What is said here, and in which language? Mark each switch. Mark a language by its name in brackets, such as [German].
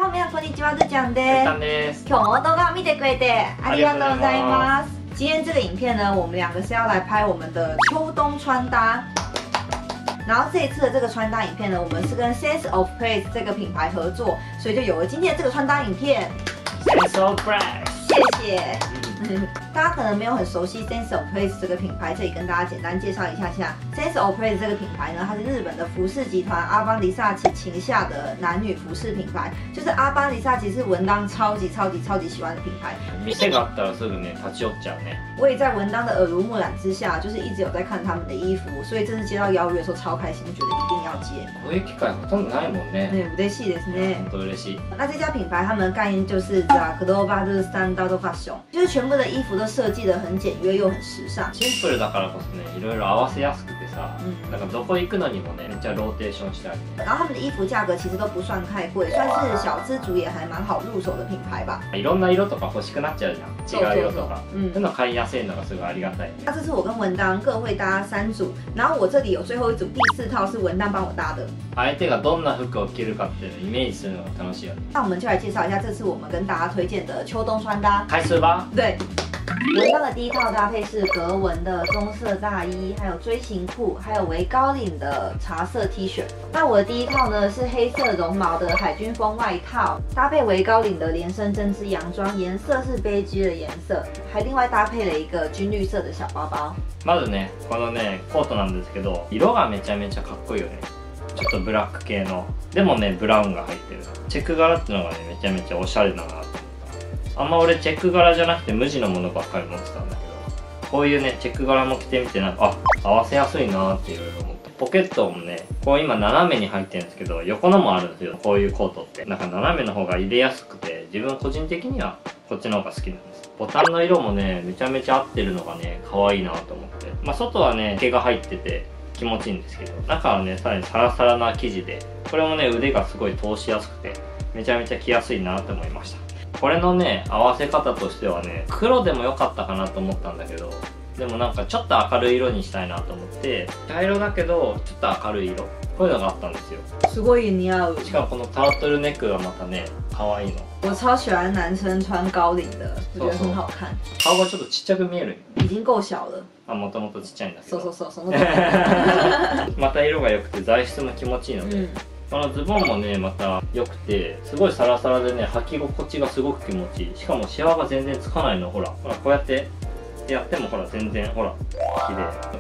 [Japanese] みなこんにちは、ずちゃんです。ずちゃんです。今日も動画を見てくれてありがとうございます。 [Chinese] 今天这个影片呢，我们两个是要来拍我们的秋冬穿搭。然后这一次的这个穿搭影片呢，我们是跟 Sense of Place 这个品牌合作，所以就有了今天的这个穿搭影片。 Sense of Place，谢谢。大家可能没有很熟悉 Sense of Place 这个品牌，这里跟大家简单介绍一下下。 Sense of Place 这个品牌呢，它是日本的服饰集团阿邦迪萨奇旗下的男女服饰品牌，就是阿邦迪萨奇是文当超级超级超级喜欢的品牌。 [Japanese] 店があったらすぐね、立ち寄っちゃうね。 [Chinese] 我也在文当的耳濡目染之下，就是一直有在看他们的衣服，所以这次接到邀约的时候超开心，觉得一定要接。 [Japanese] こういう機会ほとんどないもんね。嬉しいですね。本当嬉しい。 [Chinese] 那这家品牌他们的概念就是ザグローバルスタンダードファッション，就是全部的衣服都设计的很简约又很时尚。 [Japanese] シンプルだからこそね、いろいろ合わせやすくてさ、なんかどこ行くのにもね、めっちゃローテーションしてある。 [Chinese] 然后他们的衣服价格其实都不算太贵，算是小资族也还蛮好入手的品牌吧。 [Japanese] いろんな色とか欲しくなっちゃうじゃん。違う色とか、そういうの買いやすいのがすごいありがたい。 [Chinese] 那这次我跟文丹各会搭三组，然后我这里有最后一组第四套是文丹帮我搭的。 [Japanese] 相手がどんな服を着るかっていうのをイメージするのが楽しいよ。 [Chinese] 那我们就来介绍一下这次我们跟大家推荐的秋冬穿搭。开始吧。对。文章的第一套搭配是格纹的棕色大衣，还有锥形裤，还有微高领的茶色 T 恤。那我的第一套呢是黑色绒毛的海军风外套，搭配微高领的连身针织洋装，颜色是 beige 的颜色，还另外搭配了一个军绿色的小包包。 [Japanese] まずね、このねコートなんですけど、色がめちゃめちゃかっこいいよね。ちょっとブラック系の、でもねブラウンが入ってる。チェック柄ってのがねめちゃめちゃおしゃれだな。あんま俺チェック柄じゃなくて無地のものばっかり持ってたんだけど、こういうねチェック柄も着てみてなんか、あ、合わせやすいなーっていろいろ思って。ポケットもねこう今斜めに入ってるんですけど、横のもあるんですよ。こういうコートってなんか斜めの方が入れやすくて、自分個人的にはこっちの方が好きなんです。ボタンの色もねめちゃめちゃ合ってるのがね可愛いなと思って。まあ外はね毛が入ってて気持ちいいんですけど、中はねさらにサラサラな生地で、これもね腕がすごい通しやすくてめちゃめちゃ着やすいなと思いました。これのね合わせ方としてはね、黒でも良かったかなと思ったんだけど、でもなんかちょっと明るい色にしたいなと思って、茶色だけどちょっと明るい色、こういうのがあったんですよ。すごい似合う。しかもこのタートルネックがまたね可愛いの。 [Chinese] 我超喜欢男生穿高领的，我觉得很好看。 [Japanese] 顔がちょっとちっちゃく見える。 [Chinese] 已经够小了。 [Japanese] あ、もともとちっちゃいんだけど。そうそうそう、その。また色が良くて材質も気持ちいいので。このズボンもねまた良くて、すごいサラサラでね履き心地がすごく気持ちいい。しかもシワが全然つかないの。ほらほら、こうやってやってもほら全然ほら綺麗。